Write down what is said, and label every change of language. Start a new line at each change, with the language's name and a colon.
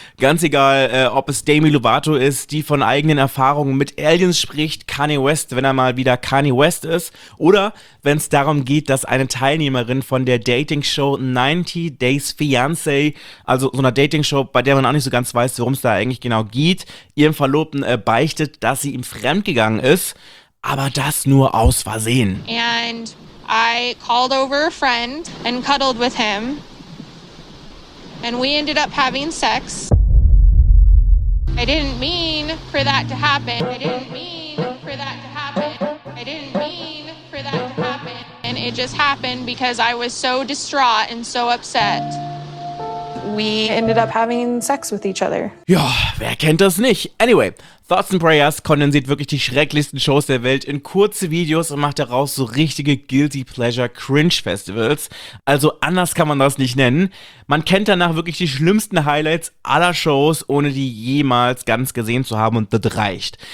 German: Ganz egal, ob es Demi Lovato ist, die von eigenen Erfahrungen mit Aliens spricht, Kanye West, wenn er mal wieder Kanye West ist, oder wenn es darum geht, dass eine Teilnehmerin von der Dating-Show 90 Days Fiancé, also so einer Dating-Show, bei der man auch nicht so ganz weiß, worum es da eigentlich genau geht, ihrem Verlobten beichtet, dass sie ihm fremdgegangen ist, aber das nur aus Versehen.
English: And I called over a friend and cuddled with him. And we ended up having sex. I didn't mean for that to happen. I didn't mean for that to happen. I didn't mean for that to happen. And it just happened because I was so distraught and so upset. We ended up having sex with each other.
German: Ja, wer kennt das nicht? Anyway, Thoughts and Prayers kondensiert wirklich die schrecklichsten Shows der Welt in kurze Videos und macht daraus so richtige Guilty Pleasure Cringe Festivals. Also anders kann man das nicht nennen. Man kennt danach wirklich die schlimmsten Highlights aller Shows, ohne die jemals ganz gesehen zu haben, und das reicht.